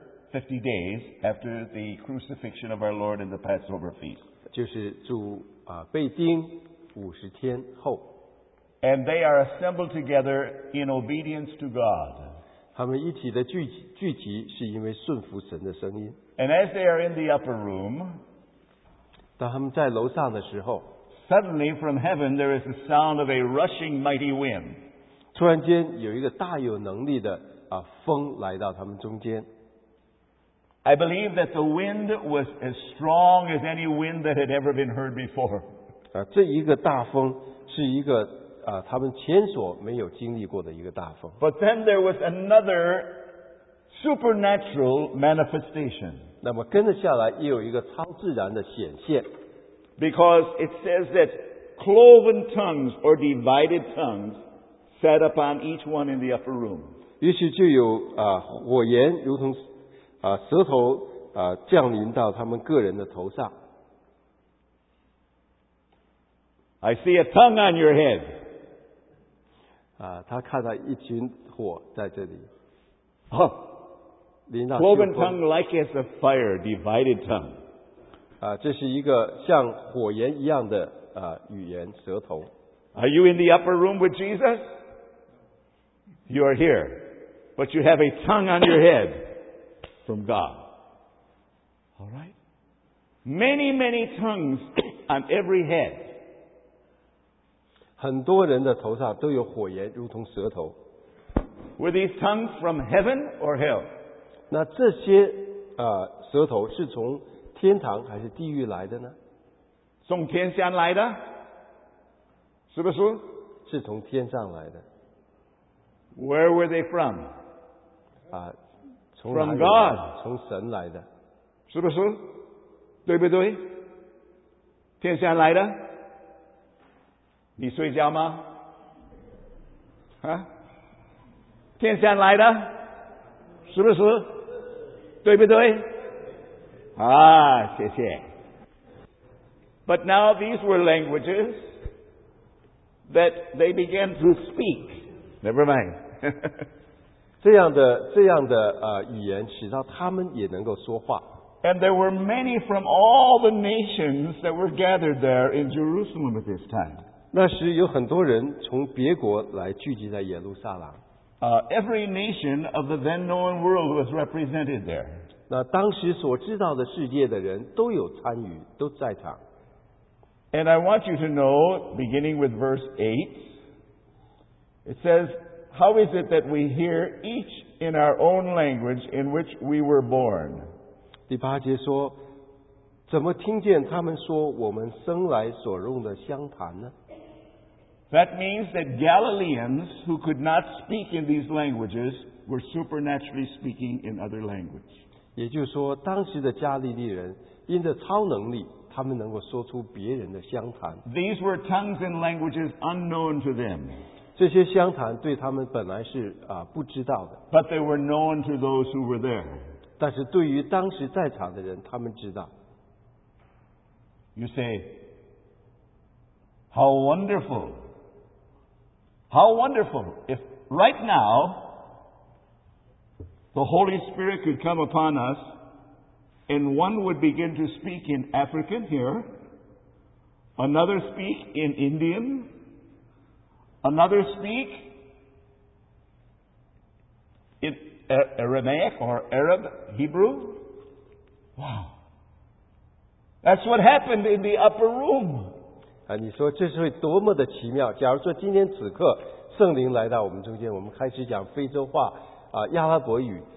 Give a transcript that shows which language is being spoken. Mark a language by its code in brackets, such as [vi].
[en] 50 days after the crucifixion of our Lord in the Passover feast. [zh] 就是主被钉50天后。 [en] And they are assembled together in obedience to God. [zh] 他们一起的聚集是因为顺服神的声音。 [en] And as they are in the upper room, [zh] 当他们在楼上的时候， [en] suddenly from heaven there is the sound of a rushing mighty wind. [zh] 突然间有一个大有能力的风来到他们中间。 [en] I believe that the wind was as strong as any wind that had ever been heard before. [zh] 这一个大风是一个他们前所没有经历过的一个大风。 [en] But then there was another supernatural manifestation. [zh] 那么跟着下来又有一个超自然的显现。 [en] Because it says that cloven tongues or divided tongues sat upon each one in the upper room. [zh] 于是就有火焰如同舌头降临到他们个人的头上。 [en] I see a tongue on your head. [zh] 他看到一群火在这里。 [en] Oh, cloven tongue like as a fire, divided tongue. [zh] 这是一个像火焰一样的语言舌头。 [en] Are you in the upper room with Jesus? You are here. But you have a tongue on your head from God. All right? Many, many tongues on every head. [zh] 很多人的头上都有火焰，如同舌头。 [en] Were these tongues from heaven or hell? [zh] 那这些舌头是从天堂还是地狱来的呢？从天上来的，是不是？是从天上来的。 [en] Where were they from? [zh] 从哪里来的？ [en] From God. [zh] 从神来的，是不是？对不对？天上来的。你睡觉吗？天上来的，是不是？对不对？谢谢。 [en] But now these were languages that they began to speak. Never mind. [zh] 这样的语言，使到他们也能够说话。 [en] And there were many from all the nations that were gathered there in Jerusalem at this time. [zh] 那时有很多人从别国来聚集在耶路撒冷。 [en] Every nation of the then known world was represented there. [zh] 那当时所知道的世界的人都有参与，都在场。 [en] And I want you to know, beginning with verse 8, it says, How is it that we hear each in our own language in which we were born? [zh] 第八节说，怎么听见他们说我们生来所用的相谈呢？ [en] That means that Galileans who could not speak in these languages were supernaturally speaking in other language. [zh] 也就是说，当时的加利利人因着超能力，他们能够说出别人的乡谈。 [en] These were tongues and languages unknown to them. [zh] 这些乡谈对他们本来是不知道的。 [en] But they were known to those who were there. [zh] 但是对于当时在场的人，他们知道。 [en] You say, how wonderful! How wonderful if right now the Holy Spirit could come upon us and one would begin to speak in African here, another speak in Indian, another speak in Aramaic or Arab Hebrew. Wow. That's what happened in the upper room. [zh] 你说这是会多么的奇妙，假如说今天此刻圣灵来到我们中间，我们开始讲非洲话亚拉伯语，